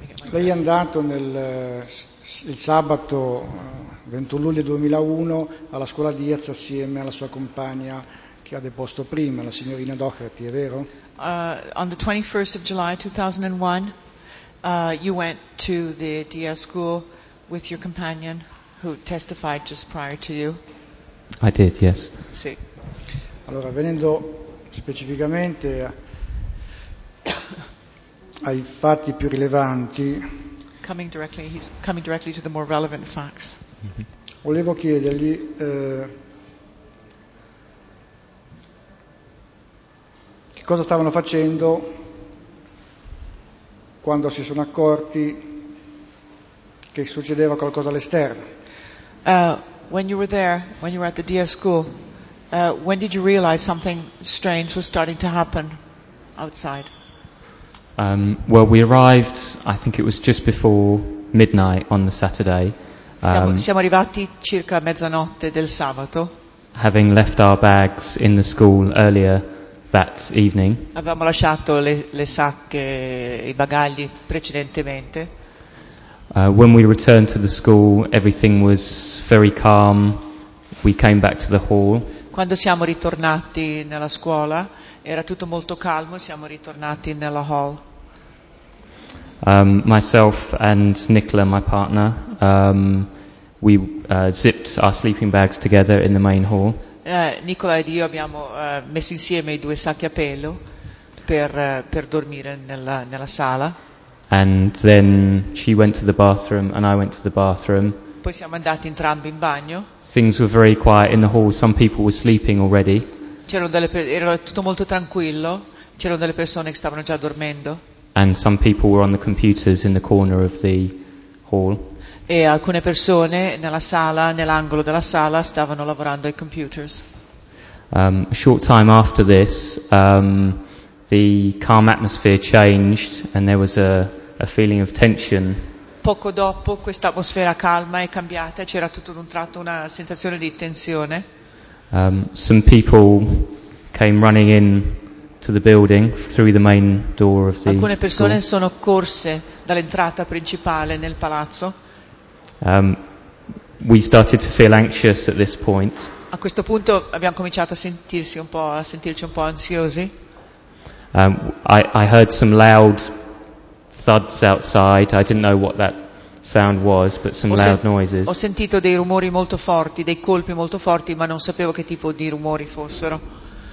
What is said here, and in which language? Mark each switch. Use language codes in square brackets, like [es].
[it] Lei è andato nel il sabato 21 luglio 2001 alla scuola Diaz assieme alla sua compagna che ha deposto prima, la signorina Doherty, è vero? [en] On the 21st of July 2001 you went to the Diaz school with your companion who testified just prior to you. I did, yes. [it] Sì. Allora, venendo specificamente ai fatti più rilevanti, [en] he's coming directly to the more relevant facts. [it] Volevo chiedergli che cosa stavano facendo quando si sono accorti che succedeva qualcosa all'esterno. [en] When you were there, when you were at the DS school, when did you realize something strange was starting to happen outside? Well, we arrived, I think it was just before midnight on the Saturday. [it] Siamo arrivati circa mezzanotte del sabato. [en] Having left our bags in the school earlier that evening. [it] Avevamo lasciato le sacche, i bagagli precedentemente. [en] When we returned to the school, everything was very calm. We came back to the hall. [it] Quando siamo ritornati nella scuola, era tutto molto calmo, siamo ritornati nella hall. [en] Myself and Nicola, my partner, we zipped our sleeping bags together in the main hall. [it] Nicola ed io abbiamo messo insieme i due sacchi a pelo per dormire nella sala. [en] And then she went to the bathroom and I went to the bathroom. [it] Poi siamo andati entrambi in bagno. [en] Things were very quiet in the hall. Some people were sleeping already. [it] Era tutto molto tranquillo. C'erano delle persone che stavano già dormendo. [en] And some people were on the computers in the corner of the hall. [it] E alcune persone nella sala, nell'angolo della sala, stavano lavorando ai computers. [en] A short time after this, the calm atmosphere changed and there was a feeling of tension. [it] Poco dopo, questa atmosfera calma è cambiata, c'era tutto d'un tratto una sensazione di tensione. [en] Some people came running in to the building through the main door of the [it] Alcune persone [en] school. [it] Sono corse dall'entrata principale nel palazzo. [en] We started to feel anxious at this point. [it] A questo punto abbiamo cominciato a sentirci un po' ansiosi. [en] I heard some loud thuds outside. I didn't know what that sound was, but some loud noises. [it] Ho sentito dei rumori molto forti, dei colpi molto forti, ma non sapevo che tipo di rumori fossero.